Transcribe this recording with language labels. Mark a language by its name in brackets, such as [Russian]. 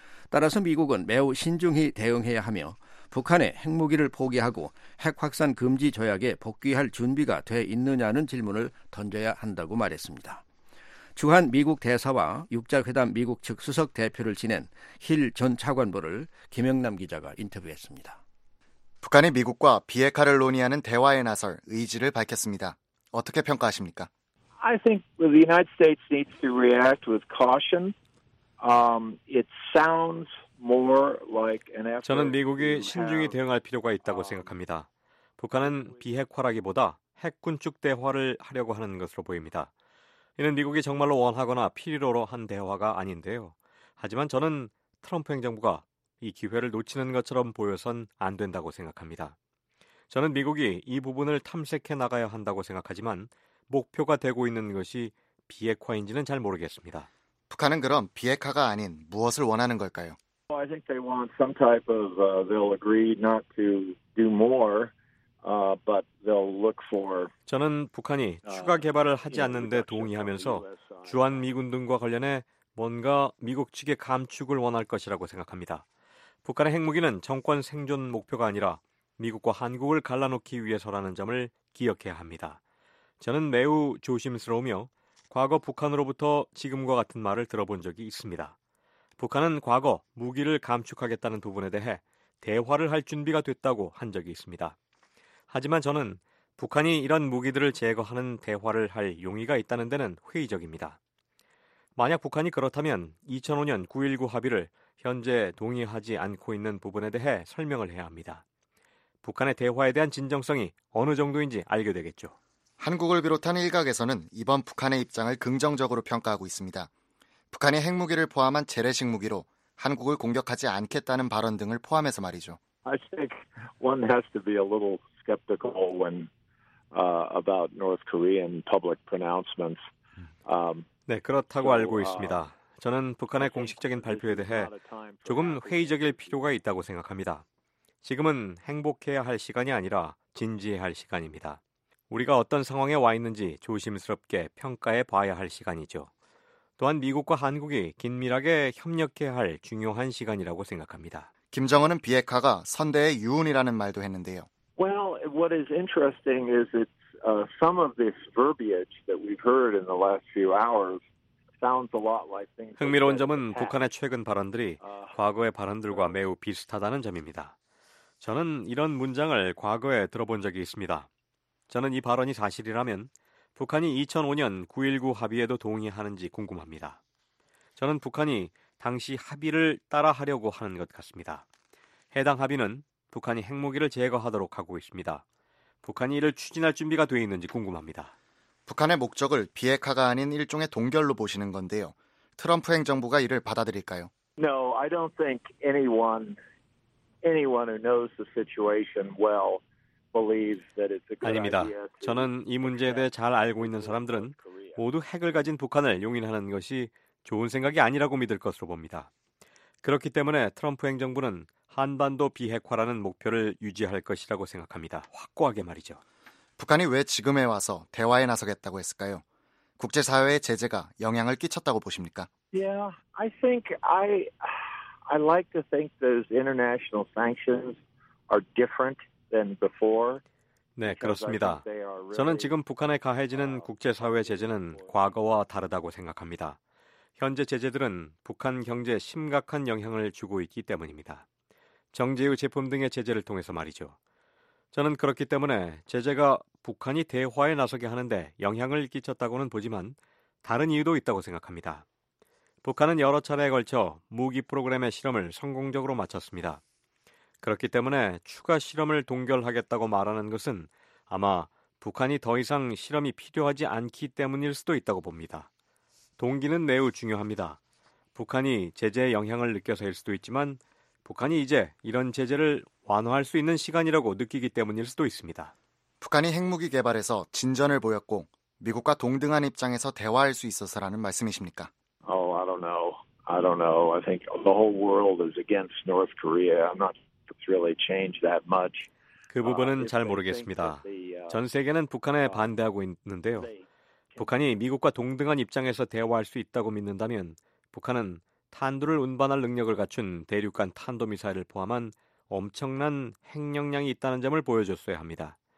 [Korean] 따라서 미국은 매우 신중히 대응해야 하며 북한의 핵무기를 포기하고 핵확산 금지 조약에 복귀할 준비가 돼 있느냐는 질문을 던져야 한다고 말했습니다. 주한 미국 대사와 육자회담 미국 측 수석 대표를 지낸 힐 전 차관보를 김영남 기자가 인터뷰했습니다. 북한이 미국과 비핵화를 논의하는 대화에 나설 의지를 밝혔습니다. 어떻게 평가하십니까? [English] I think the United States needs to react with caution. It sounds more like an effort. [Korean] 저는 미국이 신중히 대응할 필요가 있다고 생각합니다. 북한은 비핵화라기보다 핵군축 대화를 하려고 하는 것으로 보입니다. 이는 미국이 정말로 원하거나 필요로 한 대화가 아닌데요. 하지만 저는 트럼프 행정부가 이 기회를 놓치는 것처럼 보여선 안 된다고 생각합니다. 저는 미국이 이 부분을 탐색해 나가야 한다고 생각하지만 목표가 되고 있는 것이 비핵화인지는 잘 모르겠습니다. 북한은 그럼 비핵화가 아닌 무엇을 원하는 걸까요? [English] Well, I think they want some type of they'll agree not to do more. But they'll look for [Korean] 저는 북한이 추가 개발을 하지 않는 데 동의하면서 주한 미군 등과 관련해 뭔가 미국 측의 감축을 원할 것이라고 생각합니다. 북한의 핵무기는 정권 생존 목표가 아니라 미국과 한국을 갈라놓기 위해서라는 점을 기억해야 합니다. 저는 매우 조심스러우며 과거 북한으로부터 지금과 같은 말을 들어본 적이 있습니다. 북한은 과거 무기를 감축하겠다는 부분에 대해 대화를 할 준비가 됐다고 한 적이 있습니다. 하지만 저는 북한이 이런 무기들을 제거하는 대화를 할 용의가 있다는 데는 회의적입니다. 만약 북한이 그렇다면 2005년 9.19 합의를 현재 동의하지 않고 있는 부분에 대해 설명을 해야 합니다. 북한의 대화에 대한 진정성이 어느 정도인지 알게 되겠죠. 한국을 비롯한 일각에서는 이번 북한의 입장을 긍정적으로 평가하고 있습니다. 북한이 핵무기를 포함한 재래식 무기로 한국을 공격하지 않겠다는 발언 등을 포함해서 말이죠. [English] I think one has to be a little skeptical when about North Korean public pronouncements. [Korean] 네, 그렇다고 알고 있습니다. 저는 북한의 공식적인 발표에 대해 조금 회의적일 필요가 있다고 생각합니다. 지금은 행복해야 할 시간이 아니라 진지해야 할 시간입니다. 우리가 어떤 상황에 와 있는지 조심스럽게 평가해 봐야 할 시간이죠. 또한 미국과 한국이 긴밀하게 협력해야 할 중요한 시간이라고 생각합니다. 김정은은 비핵화가 선대의 유운이라는 말도 했는데요. [English] Well, what is interesting is that some of this verbiage that we've heard in the last few hours sounds a lot like things. [Korean] 흥미로운 점은 북한의 최근 발언들이 과거의 발언들과 매우 비슷하다는 점입니다. 저는 이런 문장을 과거에 들어본 적이 있습니다. 저는 이 발언이 사실이라면 북한이 2005년 9.19 합의에도 동의하는지 궁금합니다. 저는 북한이 당시 합의를 따라하려고 하는 것 같습니다. 해당 합의는 북한이 핵무기를 제거하도록 하고 있습니다. 북한이 이를 추진할 준비가 되어 있는지 궁금합니다. 북한의 목적을 비핵화가 아닌 일종의 동결로 보시는 건데요. 트럼프 행정부가 이를 받아들일까요? [English] No, I don't think anyone who knows the situation well believes that it's a good idea. [Korean] 아닙니다. 저는 이 문제에 대해 잘 알고 있는 사람들은 모두 핵을 가진 북한을 용인하는 것이 좋은 생각이 아니라고 믿을 것으로 봅니다. 그렇기 때문에 트럼프 행정부는 한반도 비핵화라는 목표를 유지할 것이라고 생각합니다. 확고하게 말이죠. 북한이 왜 지금에 와서 대화에 나서겠다고 했을까요? 국제사회의 제재가 영향을 끼쳤다고 보십니까? [English] Yeah, I think I like to think those international sanctions are different than before. [Korean] 네, 그렇습니다. 저는 지금 북한에 가해지는 국제사회 제재는 과거와 다르다고 생각합니다. 현재 제재들은 북한 경제에 심각한 영향을 주고 있기 때문입니다. 정제유 제품 등의 제재를 통해서 말이죠. 저는 그렇기 때문에 제재가 북한이 대화에 나서게 하는데 영향을 끼쳤다고는 보지만 다른 이유도 있다고 생각합니다. 북한은 여러 차례에 걸쳐 무기 프로그램의 실험을 성공적으로 마쳤습니다. 그렇기 때문에 추가 실험을 동결하겠다고 말하는 것은 아마 북한이 더 이상 실험이 필요하지 않기 때문일 수도 있다고 봅니다. 동기는 매우 중요합니다. 북한이 제재의 영향을 느껴서일 수도 있지만 북한이 이제 이런 제재를 완화할 수 있는 시간이라고 느끼기 때문일 수도 있습니다. 북한이 핵무기 개발에서 진전을 보였고 미국과 동등한 입장에서 대화할 수 있어서라는 말씀이십니까? [English] Oh, I don't know. I think the whole world is against North Korea. I'm not really changed that much. [Korean] 그 부분은 잘 모르겠습니다. 전 세계는 북한에 반대하고 있는데요. 북한이 미국과 동등한 입장에서 대화할 수 있다고 믿는다면 북한은 탄두를 운반할 능력을 갖춘 대륙간 탄도미사일을 포함한 엄청난 핵 역량이 있다는 점을 보여줬어야 합니다.